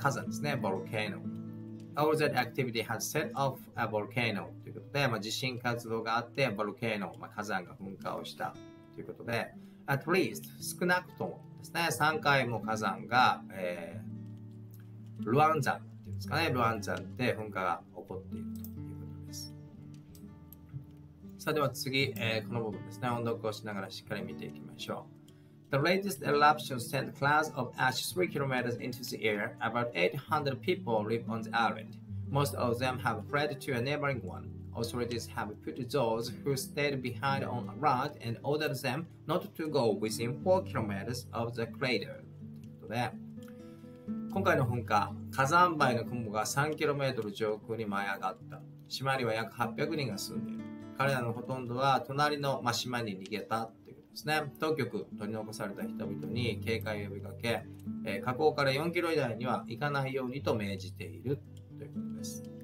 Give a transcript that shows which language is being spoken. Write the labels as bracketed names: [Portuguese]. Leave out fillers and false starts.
[Japanese] 火山ですね。ボルケーノ。 [English] All that activity has set off a volcano [Japanese] ということで、まあ、地震活動があって、ボルケーノ、まあ、火山が噴火をしたということで、 [English] at least [Japanese] 少なくともですね、3回も火山が、ルワン山っていうんですかね、ルワン山で噴火が起こっているということさあでは次、この部分ですね。音読をしながらしっかり見ていきましょう。 [English] The latest eruption sent clouds of ash 3 kilometers into the air. About 800 people live on the island. Most of them have fled to a neighboring one. Authorities have put those who stayed behind on a raft and ordered them not to go within 4 kilometers of the crater. [Japanese] とね、今回の噴火、火山灰の雲が 3km 上空に舞い上がった。島には約800人が住んでいる。彼らのほとんどは隣の島に逃げたということですね。当局、取り残された人々に警戒を呼びかけ、火口から 4km 以内には行かないようにと命じているということです。